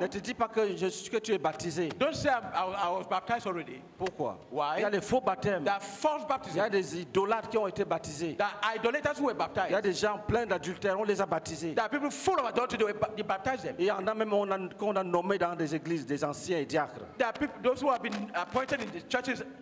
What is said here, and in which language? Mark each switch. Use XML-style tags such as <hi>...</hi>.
<fr>ne te dis pas que, je, que tu es baptisé.</fr> <en>Don't say I was baptized already.</en> <fr>Pourquoi?</fr> <en>Why?</en> <fr>Il y a des faux baptêmes.</fr> <en>There are false baptisms.</en> <fr>Il y a des idolâtres qui ont été baptisés.</fr> <en>There are idolaters who were baptized.</en> <fr>Il y a des gens pleins d'adultères, on les a baptisés.</fr> <en>There are people full of adultery, they baptized them.</en> <fr>Il y en a même qu'on a nommé dans des églises des anciens et diacres.</fr> <en>There are people, those who have been appointed in the churches.</en>